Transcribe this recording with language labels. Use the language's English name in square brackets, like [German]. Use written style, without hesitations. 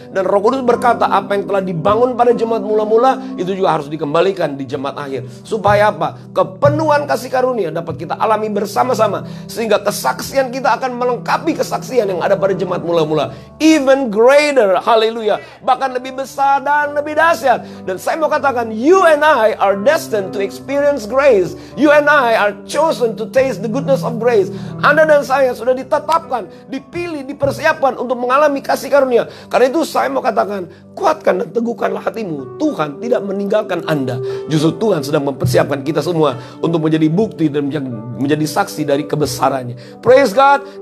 [Indonesian] Dan Roh Kudus berkata, apa yang telah dibangun pada jemaat mula-mula itu juga harus dikembalikan di jemaat akhir. Supaya apa? Kepenuhan kasih karunia dapat kita alami bersama-sama. Sehingga kesaksian kita akan melengkapi kesaksian yang ada pada jemaat mula-mula. Even greater, haleluya. Bahkan lebih besar dan lebih dahsyat. [English] Dan saya mau katakan, you and I are destined to experience grace. You and I are chosen to taste the goodness of grace. [Indonesian] Anda dan saya sudah ditetapkan, dipilih, dipersiapkan untuk mengalami kasih karunia. Karena itu saya mau katakan, kuatkan dan teguhkanlah hatimu. Tuhan tidak meninggalkan Anda. Justru Tuhan sedang mempersiapkan kita semua untuk menjadi bukti dan menjadi saksi dari kebesarannya. Praise God.